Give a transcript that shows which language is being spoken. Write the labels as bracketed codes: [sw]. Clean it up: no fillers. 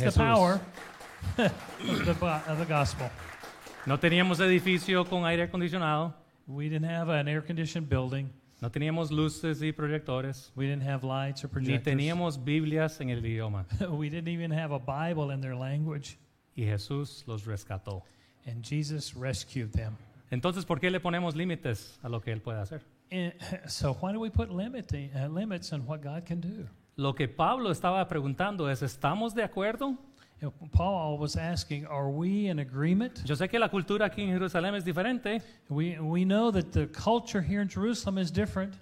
[en] That's the power of the gospel. [es] No teníamos edificio con aire acondicionado. [en] We didn't have an air-conditioned building. [es] No teníamos luces y proyectores. [en] We didn't have lights or projectors. [es] Ni teníamos Biblias en el idioma. [en] We didn't even have a Bible in their language. [es] Y Jesús los rescató. [en] And Jesus rescued them. [es] Entonces, ¿por qué le ponemos límites a lo que Él puede hacer? [en] So why do we put limits on what God can do? [es] Lo que Pablo estaba preguntando es, ¿estamos de acuerdo? [en] Paul was asking, are we in agreement? [es] Yo sé que la cultura aquí en Jerusalén es diferente. [en] We know that the culture here in Jerusalem is different.